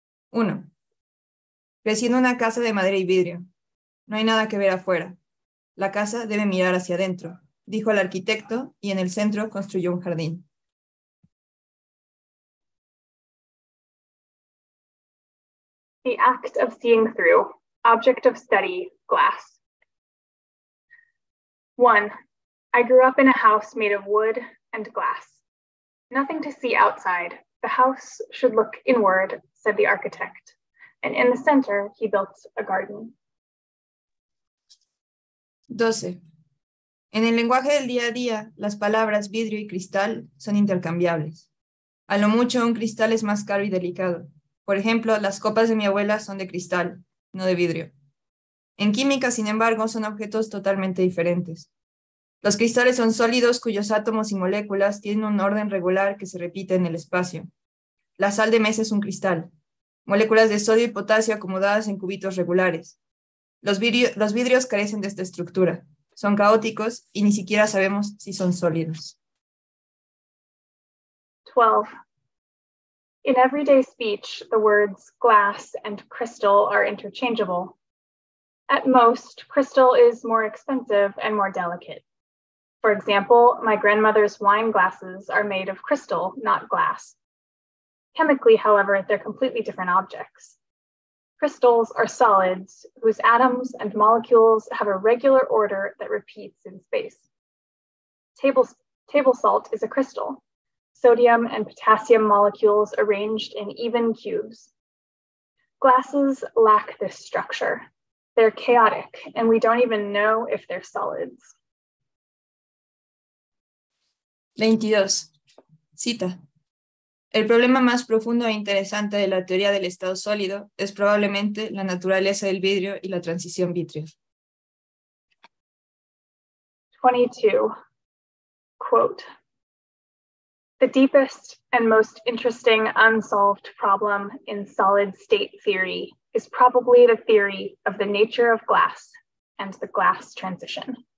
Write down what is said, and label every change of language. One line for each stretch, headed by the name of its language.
Spanish: Uno, crecí en una casa de madera y vidrio. No hay nada que ver afuera. La casa debe mirar hacia adentro, dijo el arquitecto, y en el centro construyó un jardín.
English: The act of seeing through, object of study, glass. One, I grew up in a house made of wood and glass. Nothing to see outside. The house should look inward, said the architect. And in the center, he built a garden. 12.
Spanish: En el lenguaje del día a día, las palabras vidrio y cristal son intercambiables. A lo mucho, un cristal es más caro y delicado. Por ejemplo, las copas de mi abuela son de cristal, no de vidrio. En química, sin embargo, son objetos totalmente diferentes. Los cristales son sólidos cuyos átomos y moléculas tienen un orden regular que se repite en el espacio. La sal de mesa es un cristal. Moléculas de sodio y potasio acomodadas en cubitos regulares. Los vidrios carecen de esta estructura. Son caóticos y ni siquiera sabemos si son sólidos. 12.
English: In everyday speech, the words glass and crystal are interchangeable. At most, crystal is more expensive and more delicate. For example, my grandmother's wine glasses are made of crystal, not glass. Chemically, however, they're completely different objects. Crystals are solids whose atoms and molecules have a regular order that repeats in space. Table salt is a crystal. Sodium and potassium molecules arranged in even cubes. Glasses lack this structure. They're chaotic, and we don't even know if they're solids.
Spanish: 22. Cita. El problema más profundo e interesante de la teoría del estado sólido es probablemente la naturaleza del vidrio y la transición vitrio. 22.
English: Quote, the deepest and most interesting unsolved problem in solid state theory is probably the theory of the nature of glass and the glass transition.